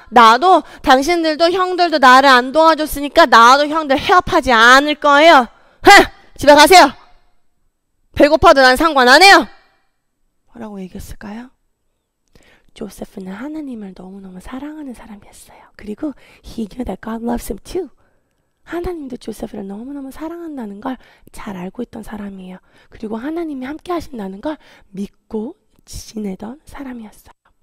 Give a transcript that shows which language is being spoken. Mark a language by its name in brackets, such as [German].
[Korean] 나도 당신들도 형들도 나를 안 도와줬으니까 나도 형들 해업하지 않을 거예요. 흥! 집에 가세요. 배고파도 난 상관 안 해요. 뭐라고 얘기했을까요? 조세프는 하나님을 너무너무 사랑하는 사람이었어요. 그리고 [English] he knew that God loves him too. [Korean] 하나님도 조세프를 너무너무 사랑한다는 걸잘 알고 있던 사람이에요. 그리고 하나님이 함께 하신다는 걸 믿고 지내던 사람이었어요.